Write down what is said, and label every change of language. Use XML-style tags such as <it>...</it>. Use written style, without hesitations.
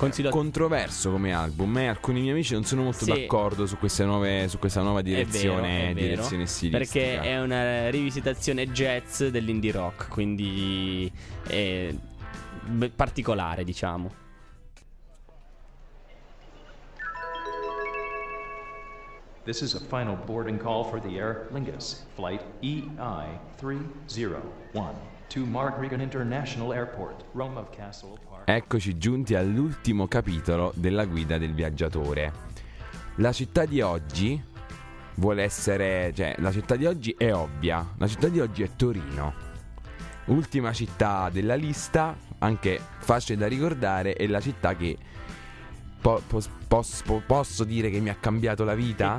<it>Controverso come album, e alcuni miei amici non sono molto d'accordo su queste nuove, su questa nuova direzione, direzione stilistica. Perché è una rivisitazione jazz dell'indie rock, quindi è particolare, diciamo.</it> <en>This is a final boarding call for the Aer Lingus, flight EI301 to Mark Regan International Airport, Rome of Castle Park.</en> <it>Eccoci giunti all'ultimo capitolo della guida del viaggiatore. La città di oggi vuole essere, cioè, la città di oggi è ovvia. La città di oggi è Torino. Ultima città della lista, anche facile da ricordare, è la città che posso dire che mi ha cambiato la vita?</it>